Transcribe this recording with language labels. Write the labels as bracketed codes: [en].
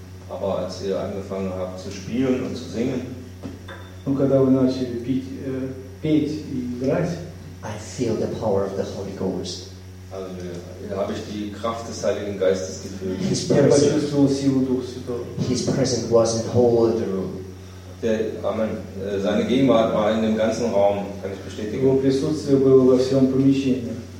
[de] Aber als ihr angefangen habt zu spielen und zu singen. [ru] Ну, когда вы начали петь и играть, [en] I feel the power of the Holy Ghost. [de] Also, habe ich die Kraft des Heiligen Geistes gefühlt. [en] His presence. His presence was in whole the room. [de] Der, Amen. Seine Gegenwart war in dem ganzen Raum, kann ich bestätigen. [ru] Его присутствие было во всем помещении.